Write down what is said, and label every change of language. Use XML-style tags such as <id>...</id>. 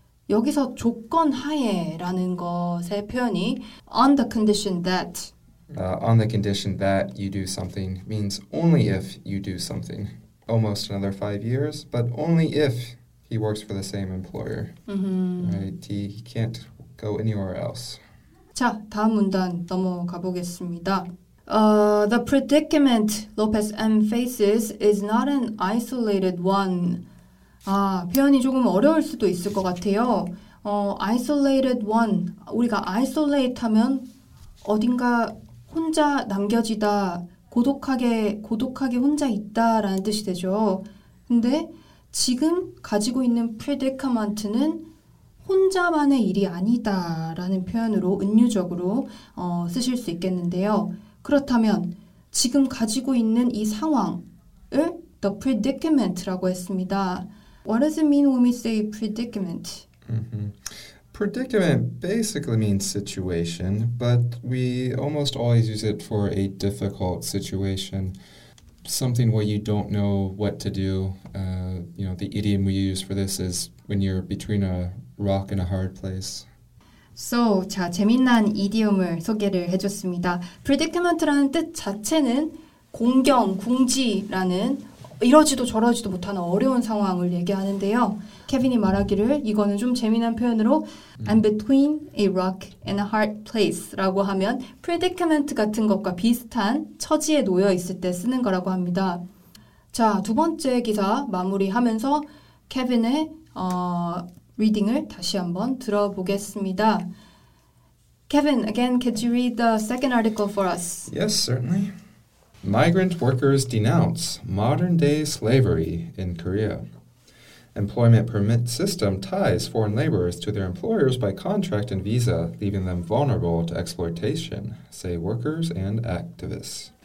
<ko>여기서 조건 하에라는 것의 표현이</ko> <en>on the condition that On the condition that you do something means only if you do something. Almost another 5 years, but only if he works for the same employer. Mm-hmm. Right? He can't go anywhere else.</en> <ko>자, 다음 문단 넘어가 보겠습니다.</ko> <en>The predicament Lopez M faces is not an isolated one.</en> <ko>아, 표현이 조금 어려울 수도 있을 것 같아요.</ko> <en>Isolated one.</en> <ko>우리가 isolate 하면 어딘가 혼자 남겨지다, 고독하게 혼자 있다라는 뜻이 되죠. 근데 지금 가지고 있는 predicament는 혼자만의 일이 아니다라는 표현으로 은유적으로 쓰실 수 있겠는데요. 그렇다면 지금 가지고 있는 이 상황을 the predicament라고 했습니다.</ko> <en>What does it mean when we say predicament? Predicament basically means situation, but we almost always use it for a difficult situation, something where you don't know what to do. The idiom we use for this is when you're between a rock and a hard place.</en> <ko>So, 자, 재미난 이디엄을 소개를 해줬습니다. Predicament라는 뜻 자체는 공경, 궁지라는 이러지도 저러지도 못하는 어려운 상황을 얘기하는데요. 케빈이 말하기를 이거는 좀 재미난 표현으로</ko> <en>I'm between a rock and a hard place</en> <ko>라고 하면 predicament 같은 것과 비슷한 처지에 놓여 있을 때 쓰는 거라고 합니다. 자, 두 번째 기사 마무리하면서 케빈의 리딩을 다시 한번 들어보겠습니다.</ko> <en>Kevin, again, could you read the second article for us? Yes, certainly. Migrant workers denounce modern-day slavery in Korea. Employment permit system ties foreign laborers to their employers by contract and visa, leaving them vulnerable to exploitation, say workers and activists.</en>